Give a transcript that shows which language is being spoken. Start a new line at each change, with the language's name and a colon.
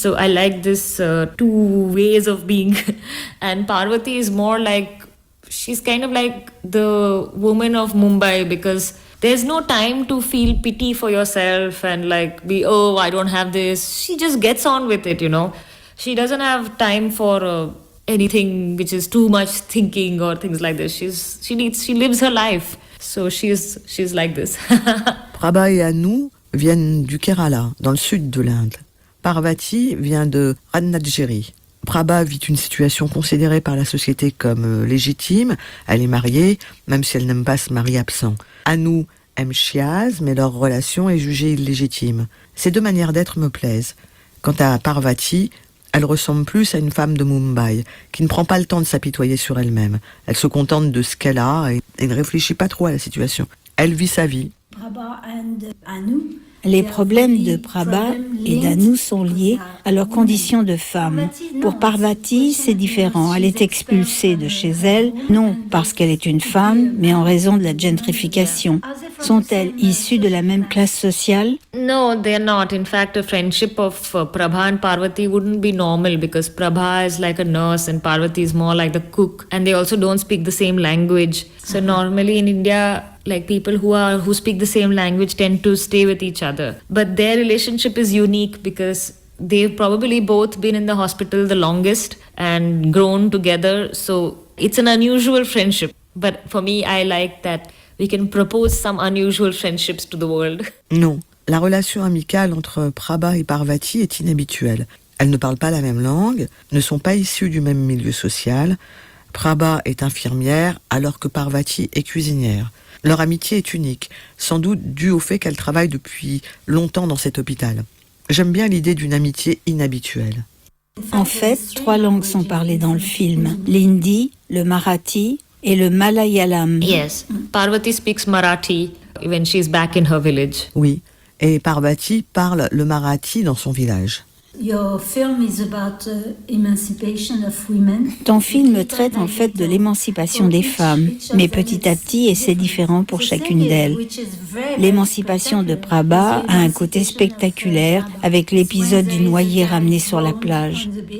English: So I like this two ways of being. And Parvati is more like, she's kind of like the woman of Mumbai because there's no time to feel pity for yourself and like be, oh, I don't have this. She just gets on with it, you know. She doesn't have time for anything which is too much thinking or things like this. She lives her life. So she's like this.
French: Prabha et Anu viennent du Kerala, dans le sud de l'Inde. Parvati vient de Ratnagiri. Prabha vit une situation considérée par la société comme légitime. Elle est mariée, même si elle n'aime pas ce mari absent. Anu aime Shyaz, mais leur relation est jugée illégitime. Ces deux manières d'être me plaisent. Quant à Parvati, elle ressemble plus à une femme de Mumbai, qui ne prend pas le temps de s'apitoyer sur elle-même. Elle se contente de ce qu'elle a et ne réfléchit pas trop à la situation. Elle vit sa vie. Les problèmes de Prabha et d'Anu sont liés à leur condition de femme. Pour Parvati, c'est différent. Elle est expulsée de chez elle, non parce qu'elle est une femme, mais en raison de la gentrification. Sont-elles issues de la même classe sociale?
English: No, they're not. In fact, a friendship of Prabha and Parvati wouldn't be normal because Prabha is like a nurse and Parvati is more like the cook. And they also don't speak the same language. So normally in India, like people who speak the same language tend to stay with each other. But their relationship is unique because they've probably both been in the hospital the longest and grown together. So it's an unusual friendship. But for me, I like that we can propose some unusual friendships to the world.
French: Non, la relation amicale entre Prabha et Parvati est inhabituelle. Elles ne parlent pas la même langue, ne sont pas issues du même milieu social. Prabha est infirmière alors que Parvati est cuisinière. Leur amitié est unique, sans doute due au fait qu'elles travaillent depuis longtemps dans cet hôpital. J'aime bien l'idée d'une amitié inhabituelle. En fait, trois langues sont parlées dans le film. L'hindi, le marathi et le Malayalam.
English: Yes, Parvati speaks Marathi when she's back in her village.
French: Oui, et Parvati parle le Marathi dans son village.
English: Your film is about emancipation of women.
French: Ton film traite en fait de l'émancipation des femmes, mais petit à petit, et c'est différent pour chacune d'elles. L'émancipation de Prabha a un côté spectaculaire avec l'épisode du noyé ramené sur la plage.